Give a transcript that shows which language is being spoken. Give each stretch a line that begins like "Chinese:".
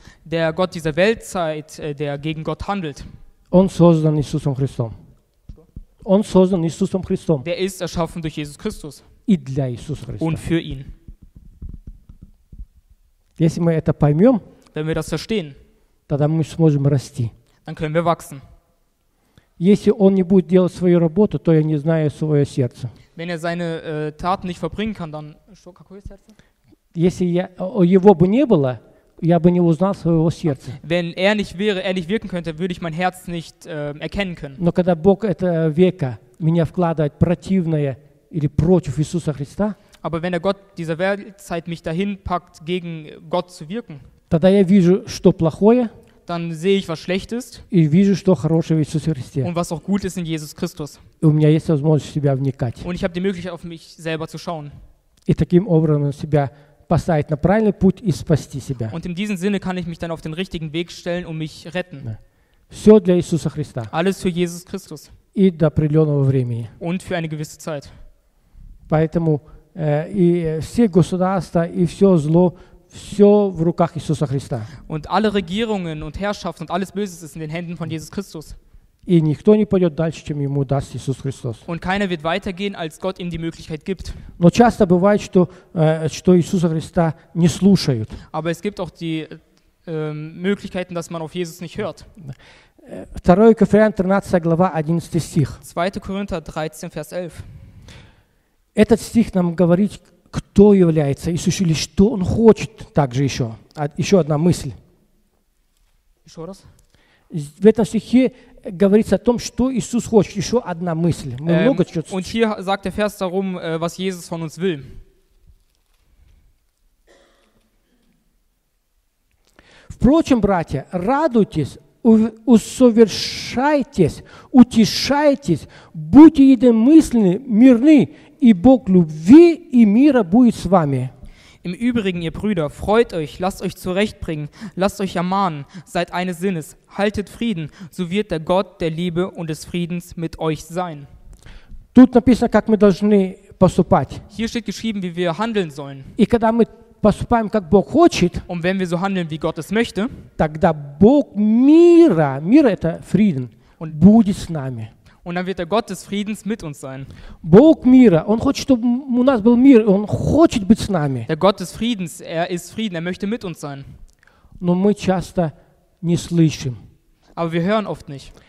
German: Der Gott dieser Weltzeit, der gegen Gott handelt.
Russian: Он создан Иисусом Христом. Он создан Иисусом Христом.
German: Der ist erschaffen durch Jesus Christus.
Russian: И для Иисуса Христа.
German: Und für ihn.
Russian: Если мы это поймем,
German: wenn wir das verstehen,
Russian: тогда мы сможем расти.
German: Dann können wir wachsen.
Russian: Если он не будет делать свою работу, то я не знаю свое сердце.
German: Wenn er seine Taten nicht verbringen kann, dann
Russian: что какое сердце? Если его бы не было, я бы не узнал своего сердца.
German: Wenn er nicht wäre, er nicht wirken könnte, würde ich mein Herz nicht erkennen können.
Russian: Но когда Бог это века меня вкладывает противное или против Иисуса Христа,
German: aber wenn der Gott dieser Weltzeit mich dahin packt, gegen Gott zu wirken,
Russian: тогда я вижу, что плохое,
German: dann sehe ich, was schlecht ist.
Russian: И вижу, что хорошее в Иисусе Христе.
German: Und was auch gut ist in Jesus Christus.
Russian: И у меня есть возможность себя вникать.
German: Und ich habe die Möglichkeit, auf mich selber zu schauen.
Russian: И таким образом себя поставить на правильный путь и спасти себя.
German: Und in diesem Sinne kann ich mich dann auf den richtigen Weg stellen, um mich retten.
Russian: Все для Иисуса Христа.
German: Alles für Jesus Christus.
Russian: И до определенного времени.
German: Und für eine gewisse Zeit.
Russian: Поэтому и все государства и все зло все в руках Иисуса Христа.
German: Und alle Regierungen und Herrschaften und alles Böses ist in den Händen von Jesus Christus.
Russian: И никто не пойдет дальше, чем ему даст Иисус Христос.
German: Und keiner wird weitergehen, als Gott ihm die Möglichkeit gibt.
Russian: Но часто бывает, что что Иисуса Христа не слушают.
German: Aber es gibt auch die Möglichkeiten, dass man auf Jesus nicht hört. 2.
Russian: Korinther 13, глава 11 стих.
German: 2. Korinther 13, Vers 11.
Russian: Этот стих нам говорит, кто является Иисус, или что Он хочет, также еще. Еще одна мысль. Еще раз. В этом стихе говорится о том, что Иисус хочет. Еще одна мысль. Мы много чего-то...
German: Und hier sagt der Vers darum, was Jesus von uns will.
Russian: Впрочем, братья, радуйтесь, усовершайтесь, утешайтесь, будьте единомысленны, мирны, и Бог любви и мира будет с вами.
German: Im Übrigen, ihr Brüder, freut euch, lasst euch zurechtbringen, lasst euch ermahnen, seid eines Sinnes, haltet Frieden, so wird der Gott der Liebe und des Friedens mit euch sein.
Russian: Тут написано, как мы должны поступать.
German: Hier steht geschrieben, wie wir handeln sollen.
Russian: И когда мы поступаем, как Бог хочет,
German: und wenn wir so handeln, wie Gott es möchte,
Russian: тогда Бог мира, мира это Frieden,
German: und
Russian: будет с нами.
German: Und dann wird der Gott des Friedens mit uns sein.
Russian: Бог мира, Он хочет, чтобы у нас был мир, Он хочет быть с нами.
German: Der Gott des Friedens, er ist Frieden, er möchte mit uns sein.
Russian: Но мы часто не слышим.
German: Aber wir hören oft nicht.